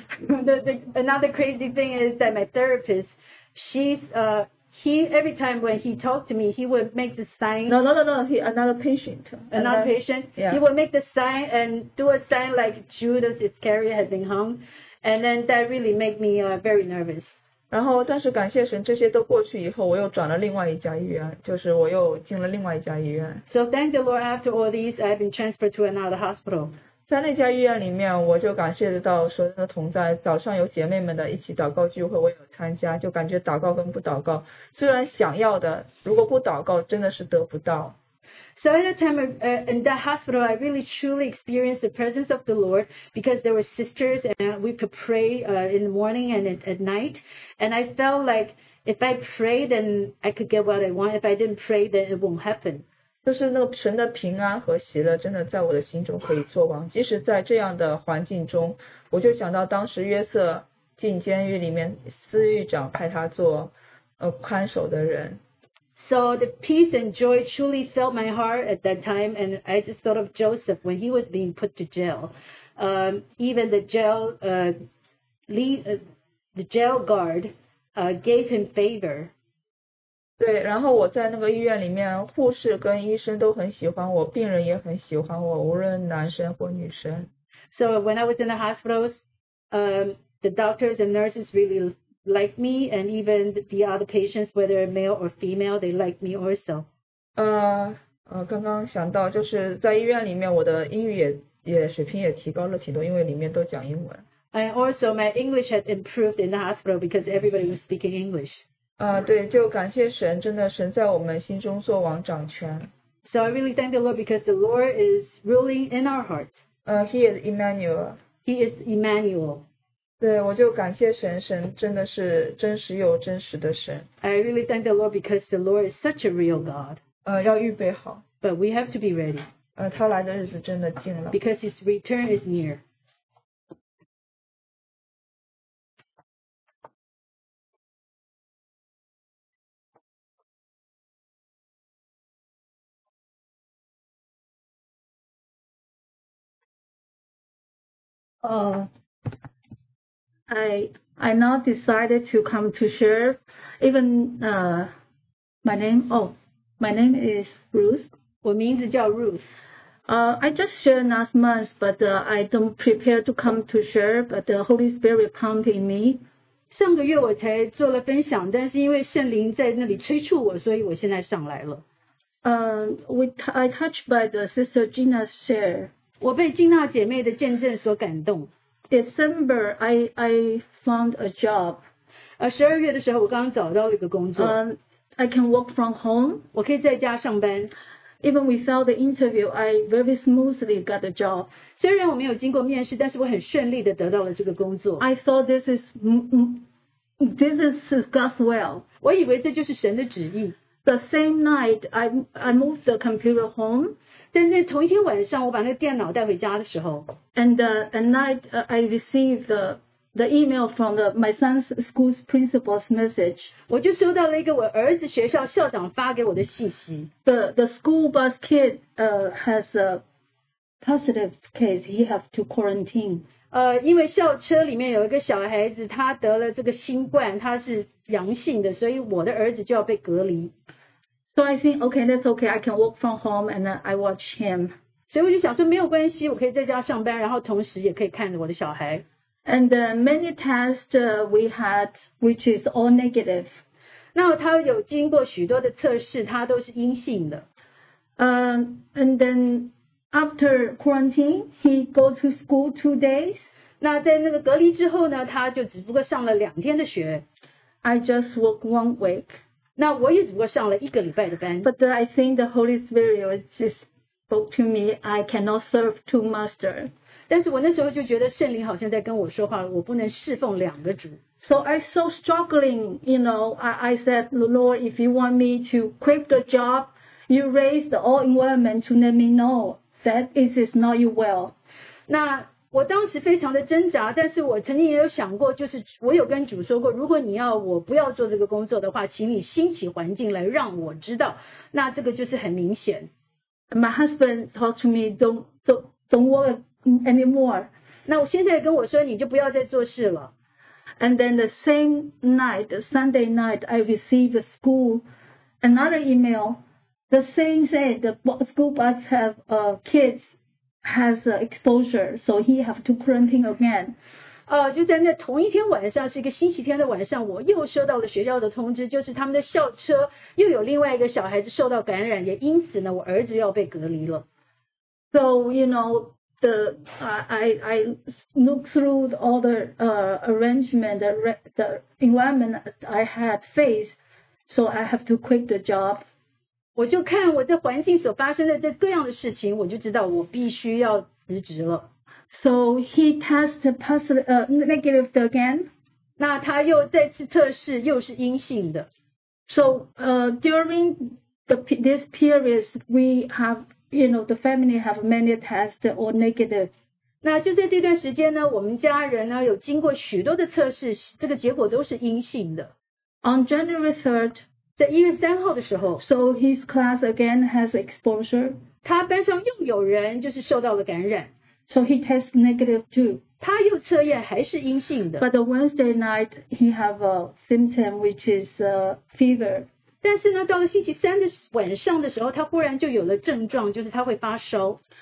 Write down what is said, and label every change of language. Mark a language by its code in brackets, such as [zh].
[en] Another crazy thing is that my therapist, he every time when he talked to me, he would make the sign. No. Another patient. Yeah. He would make the sign and do a sign like Judas Iscariot had been hung, and then that really made me very nervous. [zh] 然后，但是感谢神，这些都过去以后，我又转了另外一家医院，就是我又进了另外一家医院。 [en] So thank the Lord. After all these, I've been transferred to another hospital. [zh] 在那家医院里面，我就感谢到神的同在。早上有姐妹们的一起祷告聚会，我有参加，就感觉祷告跟不祷告，虽然想要的，如果不祷告，真的是得不到。 [en] So at that time, in that hospital, I really truly experienced the presence of the Lord because there were sisters and we could pray in the morning and at night. And I felt like if I pray, then I could get what I want. If I didn't pray, then it won't happen. [zh] 就是那个神的平安和喜乐真的在我的心中可以作王，即使在这样的环境中，我就想到当时约瑟进监狱里面，司狱长派他做看守的人。 [en] So the peace and joy truly filled my heart at that time, and I just thought of Joseph when he was being put to jail. Even the jail guard gave him favor. [zh] 对，然后我在那个医院里面，护士跟医生都很喜欢我，病人也很喜欢我，无论男生或女生。 [en] So when I was in the hospitals, the doctors and nurses really liked me, and even the other patients, whether male or female, they liked me also. [zh] 刚刚想到就是在医院里面我的英语 也水平也提高了挺多，因为里面都讲英文。 [en] And also my English had improved in the hospital because everybody was speaking English. [zh] 对，就感谢神，真的神在我们心中作王掌权。 [en] So I really thank the Lord because the Lord is ruling in our heart. He is Emmanuel. He is Emmanuel. [zh] 对，我就感谢神，神真的是真实又真实的神。 [en] I really thank the Lord because the Lord is such a real God. [zh] 要预备好。 [en] But we have to be ready. [zh] 他来的日子真的近了。 [en] Because his return is near. I now decided to come to share. Even my name is Ruth. [zh] 我名字叫 Ruth. [en] I just shared last month, but I don't prepare to come to share. But the Holy Spirit prompted me. [zh] 上个月我才做了分享，但是因为圣灵在那里催促我，所以我现在上来了。 [en] I touched by the Sister Gina's share. [zh] 我被金娜姐妹的见证所感动。 [en] December, I found a job. [zh] 12月的时候我刚找到了一个工作。 [en] I can work from home. [zh] 我可以在家上班。 [en] Even without the interview, I very smoothly got a job. [zh] 虽然我没有经过面试，但是我很顺利地得到了这个工作。 [en] I thought this is God's will. [zh] 我以为这就是神的旨意。 [en] The same night, I moved the computer home. [zh] 但是同一天晚上我把那个电脑带回家的时候 [en] And at night I received the email from my son's school's principal's message. [zh] 我就收到了一个我儿子学校校长发给我的信息。 [en] The school bus kid has a positive case. He have to quarantine. [zh] 因为校车里面有一个小孩子他得了这个新冠他是阳性的所以我的儿子就要被隔离。 [en] So I think, okay, that's okay. I can work from home and I watch him. [zh] 所以我就想说没有关系我可以在家上班然后同时也可以看着我的小孩。 [en] And many tests we had, which is all negative. [zh] 那他有经过许多的测试他都是阴性的。 [en] And then after quarantine, he go to school 2 days. [zh] 那在那个隔离之后呢他就只不过上了两天的学。 [en] I just work 1 week. [zh] 那我也只不过上了一个礼拜的班。 [en] But I think the Holy Spirit just spoke to me, I cannot serve 2 masters. [zh] 但是我那时候就觉得圣灵好像在跟我说话，我不能侍奉两个主。 [en] So I so struggling, you know, I said, Lord, if you want me to quit the job, you raise the all environment to let me know that it is not your will. [zh] 那我当时非常的挣扎，但是我曾经也有想过，就是我有跟主说过，如果你要我不要做这个工作的话，请你兴起环境来让我知道。那这个就是很明显。 [en] My husband talked to me, don't work anymore. [zh] 那我现在跟我说，你就不要再做事了。 [en] And then the same night, Sunday night, I received a school another email. The same day, the school bus have kids. Has exposure, so he have to quarantine again. [zh] 就在那同一天晚上，是一个星期天的晚上，我又收到了学校的通知，就是他们的校车又有另外一个小孩子受到感染，也因此呢，我儿子要被隔离了。 [en] So you know, I look through all the arrangement, the environment I had faced, so I have to quit the job. [zh] 我就看我在环境所发生的这各样的事情，我就知道我必须要辞职了。 [en] So he tested positive, negative again. [zh] 那他又再次测试，又是阴性的。 [en] So during this period, we have, you know, the family have many tests all negative. [zh] 那就在这段时间呢，我们家人呢有经过许多的测试，这个结果都是阴性的。 [en] On January 3rd. [zh] 在1月3号的时候 [en] So his class again has exposure. [zh] 他班上又有人就是受到了感染 [en] So he tests negative too. [zh] 他又测验还是阴性的 [en] But the Wednesday night he have a symptom which is fever. [zh] 但是呢到了星期三的晚上的时候他忽然就有了症状就是他会发烧